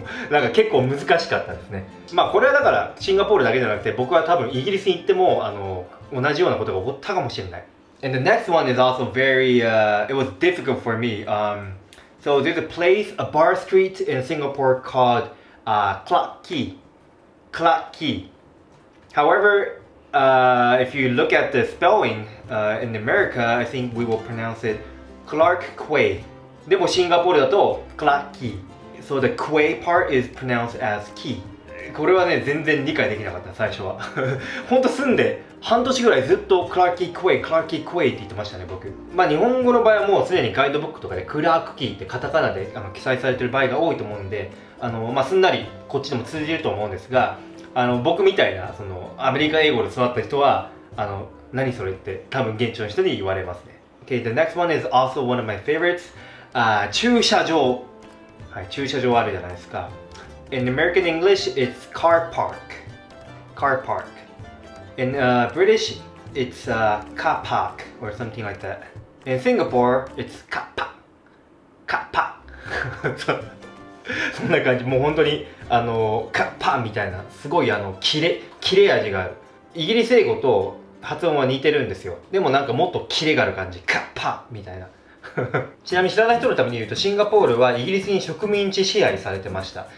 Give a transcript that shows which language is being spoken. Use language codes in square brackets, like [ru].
[ja] なんか結構難しかったですね。まあこれはだからシンガポールだけじゃなくて、僕は多分イギリスに行ってもあの同じようなことが起こったかもしれない。 [en] And the next one is also very, it was difficult for me. So there's a place, a bar street in Singapore called Clark Quay. Clark Quay. However,if you look at the spelling in America, I think we will pronounce it Clark Quay. [ja] でもシンガポールだと [en] Clark Quay. So the Quay part is pronounced as Key. [ja] これはね、全然理解できなかった、最初は。本当住んで半年ぐらいずっと Clark Quay、Clark Quay って言ってましたね、僕。まあ日本語の場合はもうすでにガイドブックとかでクラークキーってカタカナであの記載されてる場合が多いと思うんで、あのまあすんなりこっちでも通じると思うんですが、あの僕みたいなそのアメリカ英語で育った人はあの何それって多分現地の人に言われますね。 [en] Okay, the next one is also one of my favorites、 [ja] 駐車場、はい、駐車場あるじゃないですか。 [en] In American English, it's car park. Car park. In British, it's car park or something like that. In Singapore, it's car park. Car park. [ja] そんな感じ、もう本当にあのカッパーみたいな、すごいあの切れ味がある。イギリス英語と発音は似てるんですよ。でもなんかもっと切れがある感じ、カッパーみたいな。ちなみに知らない人のために言うと、シンガポールはイギリスに植民地支配されてました。